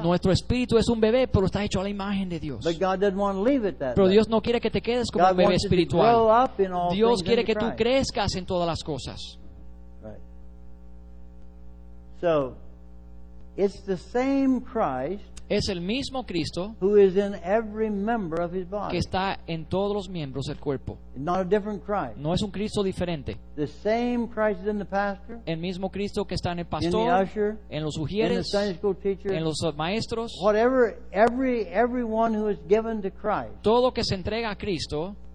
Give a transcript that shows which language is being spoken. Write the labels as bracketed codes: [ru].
[es] Nuestro espíritu es un bebé, pero está hecho a la imagen de Dios. [en] But God doesn't want to leave it that [es] pero [en] way. [es] Dios no quiere que te quedes como [en] God [es] un bebé espiritual. [en] Grow up in all [es] Dios quiere [en] things [es] que tú crezcas en todas las cosas. [en] Right. So, It's the same Christ. [es] Es el mismo Cristo. [en] Who is in every member of his body. [es] Que está en todos los miembros del cuerpo. [en] Not a different Christ. [es] No es un Cristo diferente. [en] The same Christ is in the pastor. [es] El mismo Cristo que está en el pastor. [en] In the usher. [es] En los ujieres. [en] In the Sunday school teacher. [es] En los maestros. [en] Whatever, everyone who is given to Christ. [es] Todo que se entrega a Cristo.